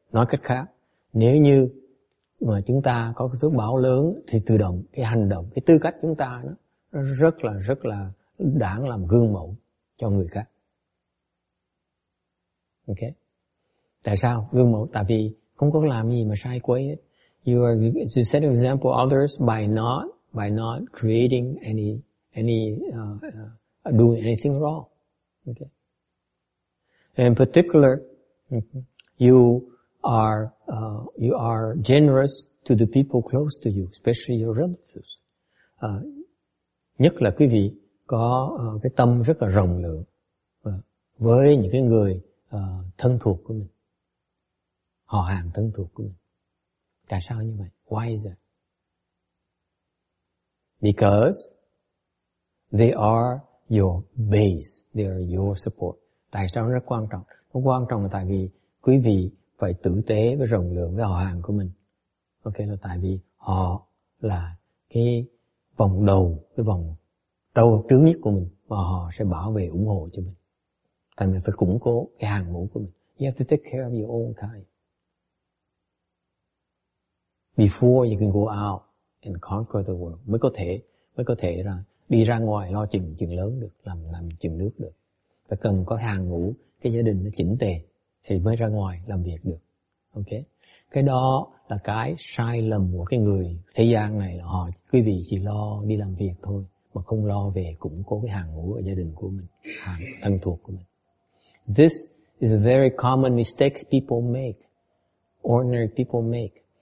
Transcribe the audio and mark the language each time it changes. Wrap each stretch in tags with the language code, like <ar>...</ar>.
<vi>Nói cách khác, nếu như mà chúng ta có cái phước báo lớn thì tự động cái hành động, cái tư cách chúng ta nó rất là đáng làm gương mẫu cho người khác. Ok. Tại sao gương mẫu? Tại vì không có làm gì mà sai quấy hết.</vi> <en>You set an example of others by not creating any doing anything wrong. Okay. In particular, you are generous to the people close to you, especially your relatives.</en> <vi>Nhất là quý vị có cái tâm rất là rộng lượng với những cái người thân thuộc của mình, họ hàng thân thuộc của mình. Tại sao như vậy?</vi> <en>Why is that? Because they are your base, they are your support.</en> <vi>Tại sao nó rất quan trọng? Nó quan trọng là tại vì quý vị phải tử tế với rộng lượng với họ hàng của mình. Ok, là tại vì họ là cái vòng đầu, cái vòng đầu trướng nhất của mình và họ sẽ bảo vệ ủng hộ cho mình. Tại mình phải củng cố cái hàng ngũ của mình.</vi> <en>You have to take care of your own kind. Before you can go out and conquer the world,</en> <vi>mới có thể là đi ra ngoài lo chuyện lớn được, làm chuyện nước được. Phải cần có hàng ngũ, cái gia đình nó chỉnh tề thì mới ra ngoài làm việc được. Ok. Cái đó là cái sai lầm của cái người thế gian này, là họ quý vị chỉ lo đi làm việc thôi mà không lo về củng cố cái hàng ngũ ở gia đình của mình, hàng thân thuộc của mình.</vi> <en>This is a very common mistake people make. Ordinary people make.</en>